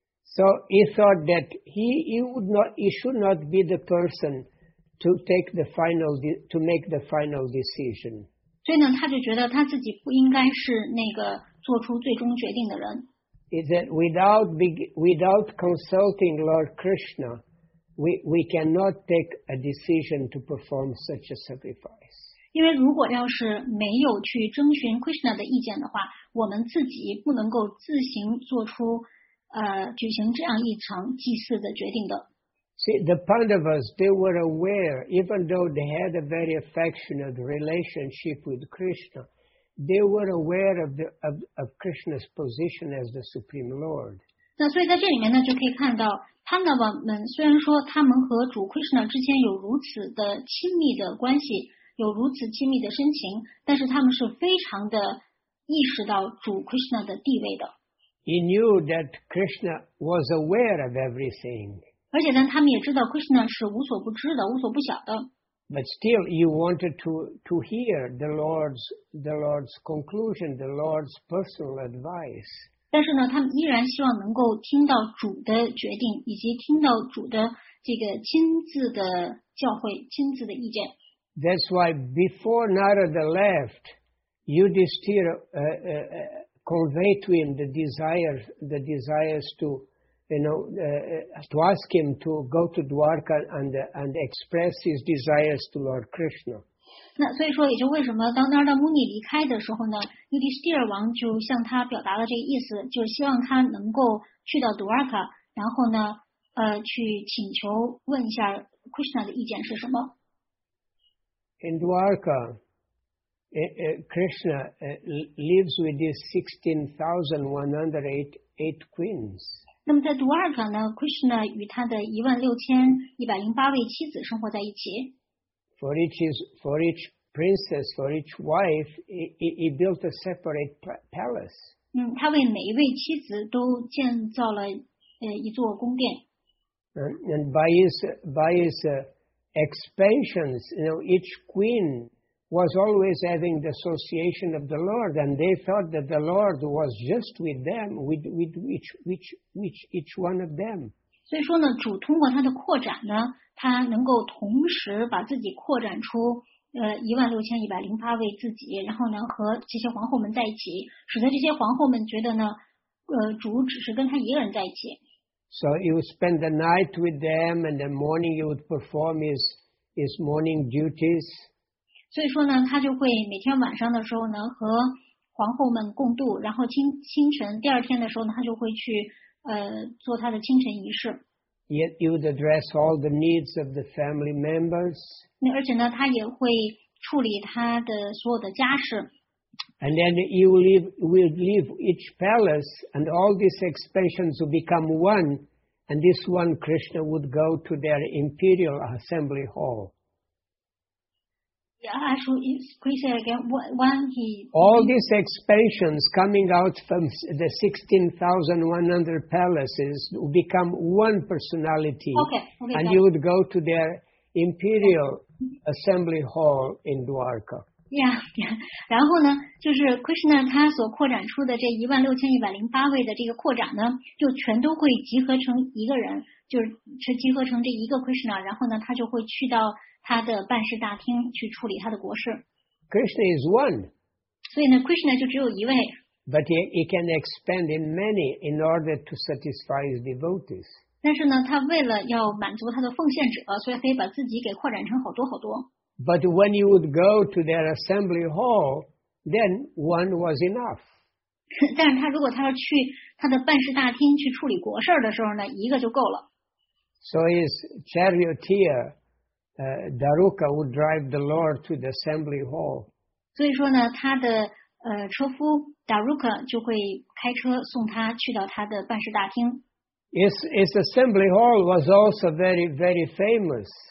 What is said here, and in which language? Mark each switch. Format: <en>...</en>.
<en>So he thought that he should not be the person to take the final to make the final decision.</en> <zh>所以呢，他就觉得他自己不应该是那个做出最终决定的人。</zh> <en>Is that without consulting Lord Krishna, we cannot take a decision to perform such a sacrifice.</en> <zh>因为如果要是没有去征询 Krishna 的意见的话，我们自己不能够自行做出举行这样一场祭祀的决定的。</zh> <en>See, the Pandavas, they were aware, even though they had a very affectionate relationship with Krishna, they were aware of Krishna's position as the Supreme Lord.</en> <zh>那所以在这里面呢，就可以看到 Pandava 们虽然说他们和主 Krishna 之间有如此的亲密的关系，有如此亲密的深情，但是他们是非常的意识到主 Krishna 的地位的。</zh> <en>He knew that Krishna was aware of everything.</en> <zh>而且呢，他们也知道 Krishna 是无所不知的，无所不晓的。</zh> <en>But still, you wanted to hear the Lord's conclusion, the Lord's personal advice.</en> <zh>但是呢，他们依然希望能够听到主的决定，以及听到主的这个亲自的教诲，亲自的意见。</zh> <en>That's why before Narada left, Yudhishthira conveyed to him the desires to, you know, to ask him to go to Dwarka and express his desires to Lord Krishna.</en> <zh>那所以说，也就为什么当 Narada Muni 离开的时候呢 ，Yudhishthira 王就向他表达了这个意思，就是希望他能够去到 Dwarka， 然后呢，去请求问一下 Krishna 的意见是什么。</zh> <en>In Dwarka, Krishna lives with his 16,108 queens.</en> <zh>那么在 Dwarka 呢 ，Krishna 与他的16,108位妻子生活在一起。</zh> <en>For each princess, for each wife, he built a separate palace.</en> <zh>嗯，他为每一位妻子都建造了一座宫殿。</zh> <en>And by his expansions, you know, each queen was always having the association of the Lord, and they thought that the Lord was just with them, with each one of them.</en> <zh>所以说呢，主通过他的扩展呢，他能够同时把自己扩展出16,108位自己，然后呢和这些皇后们在一起，使得这些皇后们觉得呢，主只是跟他一个人在一起。</zh> <en>So he would spend the night with them, and the morning he would perform his morning duties.</en> <zh>所以说呢，他就会每天晚上的时候呢和皇后们共度，然后清晨第二天的时候呢，他就会去做他的清晨仪式。</zh> <en>Yet he would address all the needs of the family members.</en> <zh>而且呢，他也会处理他的所有的家事。</zh> <en>And then he will leave each palace, and all these expansions will become one, and this one Krishna would go to their imperial assembly hall. Yeah, Krishna, all these expansions coming out from the 16,100 palaces will become one personality, okay, and he would go to their imperial assembly hall in Dwarka.</en> <zh>Yeah, 然后呢，就是 Krishna 他所扩展出的这16,108位的这个扩展呢，就全都会集合成一个人，就是集合成这一个 Krishna， 然后呢，他就会去到他的办事大厅去处理他的国事。</zh> <en>Krishna is one.</en> <zh>所以呢 ，Krishna 就只有一位。</zh> <en>But he can expand in many in order to satisfy his devotees.</en> <zh>但是呢，他为了要满足他的奉献者，所以可以把自己给扩展成好多好多。</zh> <en>But when you would go to their assembly hall, then one was enough.</en> <zh>但是他如果他要去他的办事大厅去处理国事的时候呢，一个就够了。</zh> <en>So his charioteer, Daruka would drive the Lord to the assembly hall.</en> <zh>所以说呢，他的车夫 Daruka 就会开车送他去到他的办事大厅。</zh> <en>His assembly hall was also very, very famous.</en>